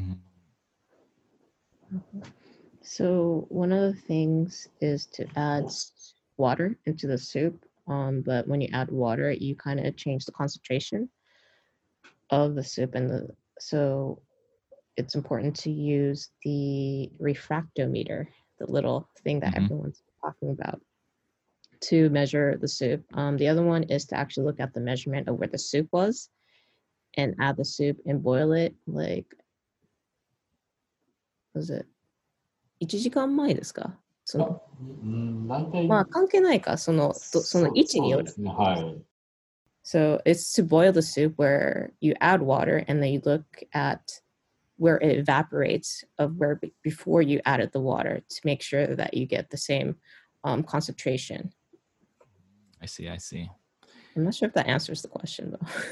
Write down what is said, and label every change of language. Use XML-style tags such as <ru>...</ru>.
<ja>ですので、もう仕上げる20分前とかに水を入れ、ちょっと多めに入れるんですよ。で、多めに入れて、で、煮詰めて元の位置に戻して完成させるんですよ。だから。So</ja> <en>one of the things is to add water into the soup. But when you add water, you kind of change the concentration of the soup and it's important to use the refractometer, the little thing that everyone's talking about, to measure the soup. The other one is to actually look at the measurement of where the soup was and add the soup and boil it. Like, was it 1時間前ですか?</en> <ja>その、大体… まあ、関係ないか。その、その位置による。そうですね。はい。</ja> <en>So it's to boil the soup where you add water and then you look at where it evaporates of where before you added the water to make sure that you get the same concentration. I see. I'm not sure if that answers the question though.</en>